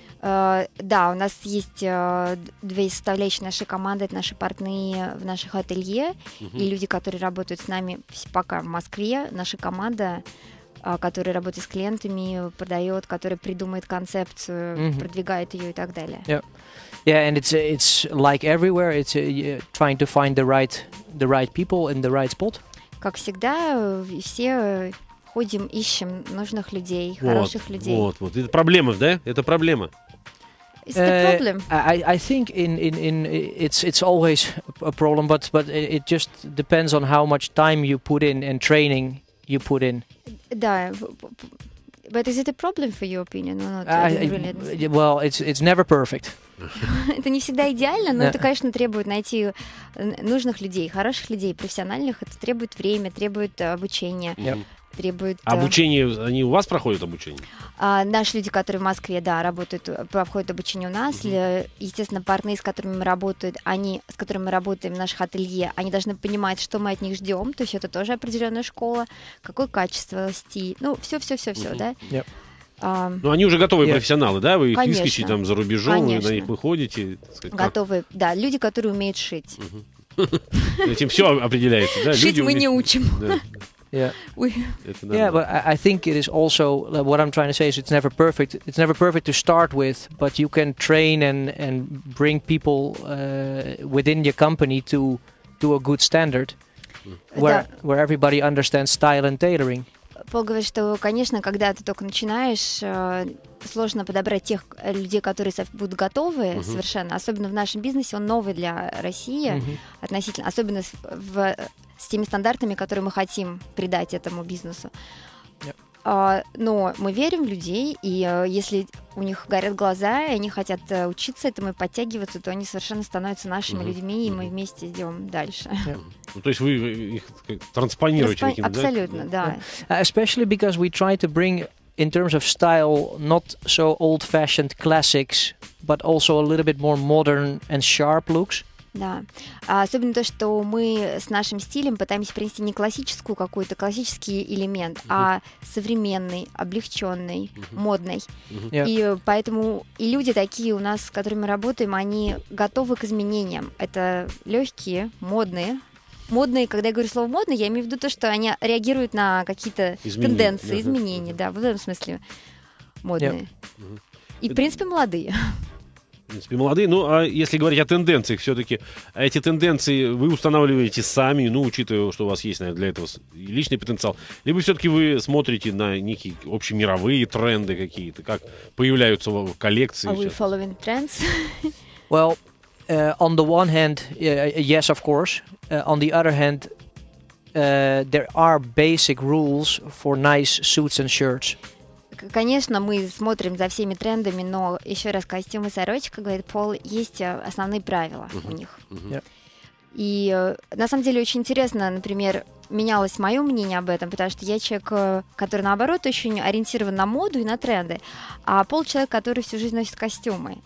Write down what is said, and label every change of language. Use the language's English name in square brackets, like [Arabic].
[Russian] Да, у нас есть две составляющие нашей команды, это наши партнеры в наших ателье mm-hmm. и люди, которые работают с нами пока в Москве. Наша команда, которая работает с клиентами, продает, которая придумает концепцию, mm-hmm. продвигает ее и так далее. [English] Yeah, yeah, and it's like everywhere, it's trying to find the right people in the right spot. [Russian] Как всегда, все ходим, ищем нужных людей, хороших людей. Вот. Это проблема, да? Это проблема. [English] It's the problem. I think in it's always a problem, but it just depends on how much time you put in and training you put in. Да, but is it a problem for your opinion? No, not really. Well, it's never perfect. [Russian] Это не всегда идеально, но это, конечно, требует найти нужных людей, хороших людей, профессиональных. Это требует время, требует обучения. Требует, обучение, они у вас проходят обучение? Наши люди, которые в Москве, да, работают, проходят обучение у нас. Uh-huh. Естественно, партнеры, с которыми мы работаем, в наших ателье, они должны понимать, что мы от них ждем. То есть это тоже определенная школа, какое качество, стиль. Ну, все, uh-huh. да? Yep. Ну, они уже готовые yep. профессионалы, да? Вы их ищете там за рубежом, конечно. Вы на них выходите. Готовые, как? Да, люди, которые умеют шить. Uh-huh. Этим все определяется, да? Шить люди мы не учим. Да. Yeah. [English] Yeah, but I think it is also what I'm trying to say is it's never perfect. It's never perfect to start with, but you can train and bring people within your company to do a good standard, where everybody understands style and tailoring. [Russian] Пол говорит, что, конечно, когда ты только начинаешь, сложно подобрать тех людей, которые будут готовы uh-huh. совершенно, особенно в нашем бизнесе, он новый для России uh-huh. относительно, особенно с теми стандартами, которые мы хотим придать этому бизнесу. Yep. Но мы верим в людей, и если у них горят глаза, и они хотят учиться этому и подтягиваться, то они совершенно становятся нашими uh-huh. людьми, и uh-huh. мы вместе идем дальше. Yeah. Ну, то есть вы их транспонируете? Абсолютно, да. Yeah. [English] Especially because we try to bring, in terms of style, not so old-fashioned classics, but also a little bit more modern and sharp looks. [Russian] Да. Особенно то, что мы с нашим стилем пытаемся принести не классическую какую-то, классический элемент, uh-huh. а современный, облегченный, uh-huh. модный. Uh-huh. Yeah. И поэтому и люди такие у нас, с которыми мы работаем, они готовы к изменениям. Это легкие, модные. Модные, когда я говорю слово модные, я имею в виду то, что они реагируют на какие-то тенденции, изменения. Uh-huh. Да, в этом смысле модные. Yeah. Uh-huh. И, в принципе, молодые. В принципе, молодые. Ну, а если говорить о тенденциях, все-таки эти тенденции вы устанавливаете сами, ну, учитывая, что у вас есть, наверное, для этого личный потенциал. Либо все-таки вы смотрите на некие общемировые тренды какие-то, как появляются в коллекции. [English] Are we following trends? Well, on the one hand, yes, of course. On the other hand, there are basic rules for nice suits and shirts. [Russian] Конечно, мы смотрим за всеми трендами, но еще раз, костюм и сорочка, говорит Пол, есть основные правила uh-huh. у них. Uh-huh. И на самом деле очень интересно, например, менялось мое мнение об этом, потому что я человек, который наоборот очень ориентирован на моду и на тренды, а Пол человек, который всю жизнь носит костюмы.